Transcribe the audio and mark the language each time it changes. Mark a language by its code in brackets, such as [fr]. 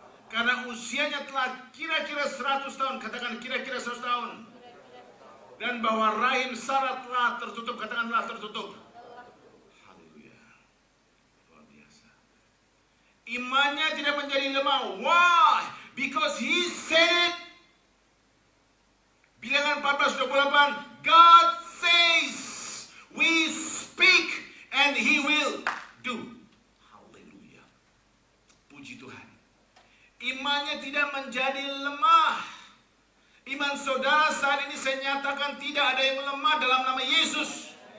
[id] Karena usianya telah kira-kira 100 tahun, katakan kira-kira 100 tahun. Dan bahwa rahim Sarah telah tertutup, katakan telah tertutup. Haleluya. Luar biasa. Imannya tidak menjadi lemah. [en] Why? Because he said it. Bilangan 14:28, God says, we speak and he will do. [id] Haleluya. Puji Tuhan. Imannya tidak menjadi lemah. Iman saudara saat ini saya nyatakan tidak ada yang lemah dalam nama Yesus.